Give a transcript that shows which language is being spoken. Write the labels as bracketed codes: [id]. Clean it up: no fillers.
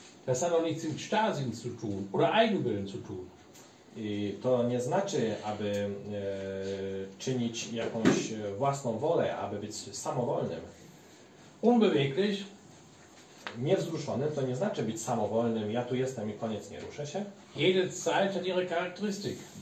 [de] Das hat auch nichts mit Stasien zu tun oder Eigenwillen zu tun. [pl] I to nie znaczy, aby czynić jakąś własną wolę, aby być samowolnym. [de] Unbeweglich. [pl] Niewzruszonym to nie znaczy być samowolnym, ja tu jestem i koniec, nie ruszę się. [de] Jede Zeit hat ihre Charakteristik.